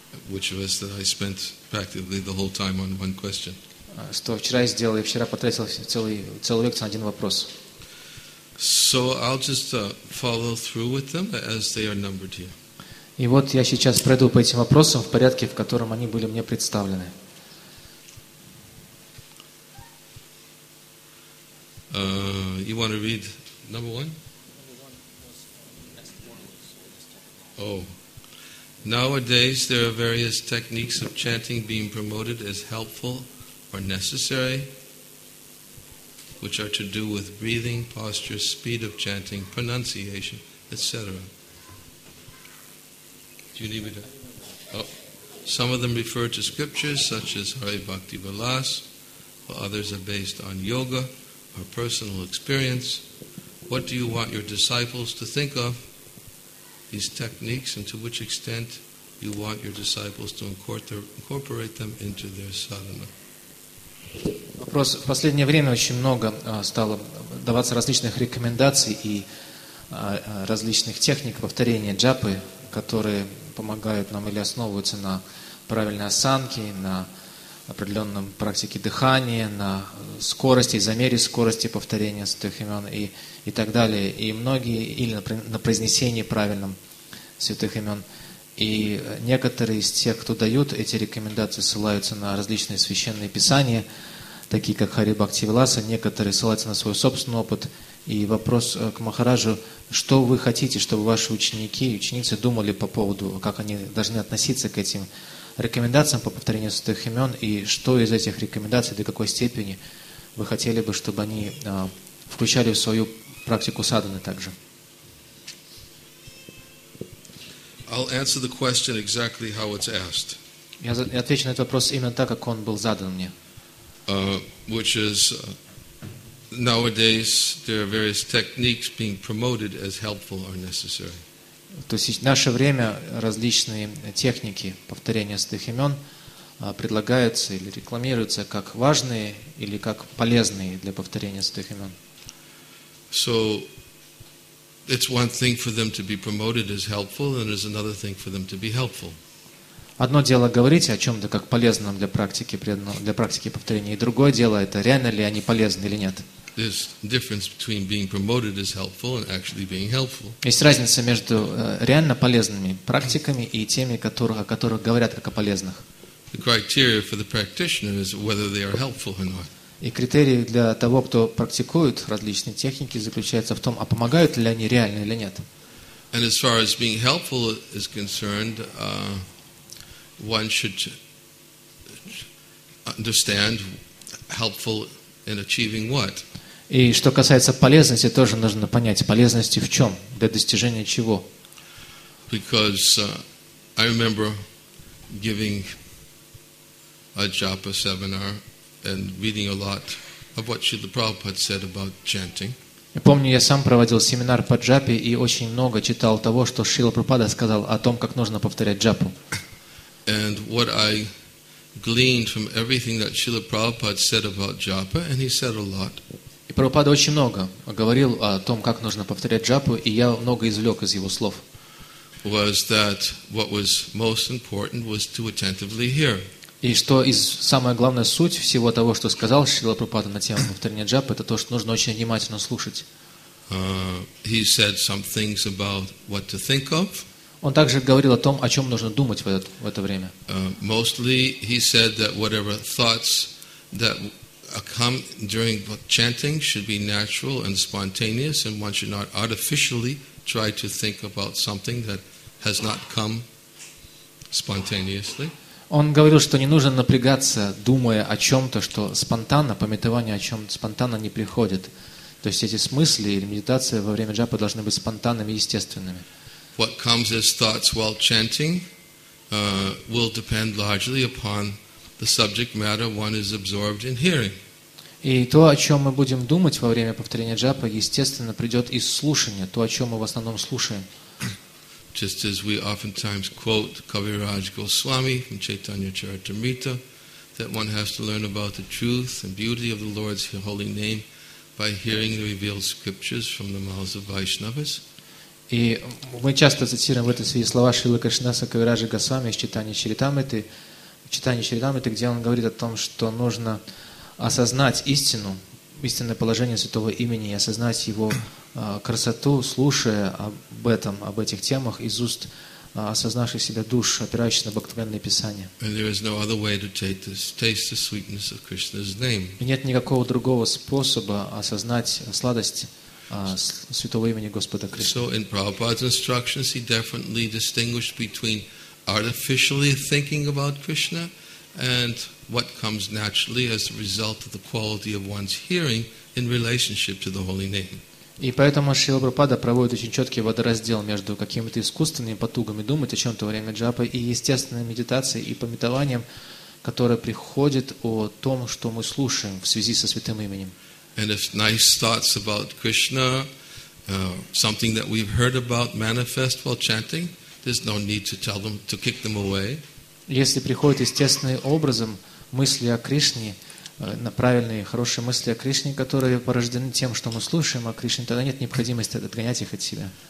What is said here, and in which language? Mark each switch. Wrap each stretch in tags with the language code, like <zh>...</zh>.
<en>Which was that I spent practically the whole time on one question.</en> <ru>Что вчера я сделал, я вчера потратил целую лекцию на один вопрос.</ru> <en>So I'll just follow through with them as they are numbered here.</en> <ru>И вот я сейчас пройду по этим вопросам в порядке, в котором они были мне представлены.</ru> <en>You want to read number one? Oh. Nowadays there are various techniques of chanting being promoted as helpful are necessary, which are to do with breathing, posture, speed of chanting, pronunciation, etc. Do you need me to? Oh. Some of them refer to scriptures such as Hari Bhakti Vilas, while others are based on yoga or personal experience. What do you want your disciples to think of these techniques, and to which extent you want your disciples to incorporate them into their sadhana?</en> <ru>Вопрос. В последнее время очень много стало даваться различных рекомендаций и различных техник повторения джапы, которые помогают нам или основываются на правильной осанке, на определенном практике дыхания, на скорости, замере скорости повторения святых имен и так далее. И многие, или на произнесении правильном святых имен. И некоторые из тех, кто дают эти рекомендации, ссылаются на различные священные писания, такие как Хари Бхакти Виласа, некоторые ссылаются на свой собственный опыт. И вопрос к Махараджу: что вы хотите, чтобы ваши ученики и ученицы думали по поводу, как они должны относиться к этим рекомендациям по повторению святых имен, и что из этих рекомендаций, до какой степени вы хотели бы, чтобы они включали в свою практику садханы также?</ru> <en>I'll answer the question exactly how it's asked.</en> <ru>Я отвечу на этот вопрос именно так, как он был задан мне.</ru> <en>Which is, nowadays there are various techniques being promoted as helpful or necessary.</en> <ru>То есть в наше время различные техники повторения святых имен предлагаются или рекламируются как важные или как полезные для повторения святых имен.</ru> <en>So it's one thing for them to be promoted as helpful, and it's another thing for them to be helpful.</en> <ru>Одно дело говорить о чем-то как полезном для практики повторения, и другое дело — это реально ли они полезны или нет.</ru> <en>There's difference between being promoted as helpful and actually being helpful.</en> <ru>Есть разница между реально полезными практиками и теми, о которых говорят как о полезных.</ru> <en>The criteria for the practitioner is whether they are helpful or not.</en> <ru>И критерий для того, кто практикует различные техники, заключается в том, а помогают ли они реально или нет.</ru> <en>And as far as being helpful is concerned, one should understand helpful in achieving what.</en> <ru>И что касается полезности, тоже нужно понять, полезности в чем, для достижения чего.</ru> <en>Because I remember giving a japa seminar and reading a lot of what Srila Prabhupada said about chanting.</en> <ru>Я помню, я сам проводил семинар по джапе и очень много читал того, что Шрила Прабхупада сказал о том, как нужно повторять джапу.</ru> <en>And what I gleaned from everything that Srila Prabhupada said about japa, and he said a lot.</en> <ru>И Прабхупада очень много говорил о том, как нужно повторять джапу, и я много извлек из его слов.</ru> <en>Was that what was most important was to attentively hear.</en> <ru>И что из самая главная суть всего того, что сказал Шрила Прабхупада на тему повторения джапы, это то, что нужно очень внимательно слушать.</ru> <en>He said some things about what to think of.</en> <ru>Он также говорил о том, о чем нужно думать в это время.</ru> <en>Mostly he said that whatever thoughts that come during chanting should be natural and spontaneous, and one should not artificially try to think about something that has not come spontaneously.</en> <ru>Он говорил, что не нужно напрягаться, думая о чем-то, что спонтанно, памятование о чем-то спонтанно не приходит. То есть эти смысли или медитация во время джапы должны быть спонтанными и естественными.</ru> <en>What comes as thoughts while chanting will depend largely upon the subject matter one is absorbed in hearing.</en> <ru>И то, о чем мы будем думать во время повторения джапа, естественно, придет из слушания, то, о чем мы в основном слушаем.</ru> <en>Just as we oftentimes quote Kaviraj Goswami from Chaitanya Charitamrita, that one has to learn about the truth and beauty of the Lord's holy name by hearing the revealed scriptures from the mouths of Vaishnavas.</en> <ru>И мы часто цитируем в этой связи слова Шрилы Кришнаса Кавираджа Госвами из Чайтанья Чаритамриты, где он говорит о том, что нужно осознать истину, истинное положение святого имени, и осознать его красоту, слушая об этом, об этих темах из уст осознавших себя душ, опирающихся на Бхактивинодное Писание.</ru> <en>And there is no other way to taste the sweetness of Krishna's name.</en> <ru>И нет никакого другого способа осознать сладость святого имени Господа Кришны.</ru> <en>So in Prabhupada's instructions, he definitely distinguished between artificially thinking about Krishna and what comes naturally as a result of the quality of one's hearing in relationship to the holy name.</en> <ru>И поэтому Шрила Прабхупада проводит очень четкий водораздел между какими-то искусственными потугами думать о чем-то во время джапы и естественной медитацией и памятованием, которое приходит о том, что мы слушаем в связи со святым именем.</ru> <en>And if nice thoughts about Krishna, something that we've heard about manifest while chanting, there's no need to tell them to kick them away.</en> <ru>Если приходят естественным образом мысли о Кришне, на правильные, хорошие мысли о Кришне, которые порождены тем, что мы слушаем о Кришне, тогда нет необходимости отгонять их от себя.</ru>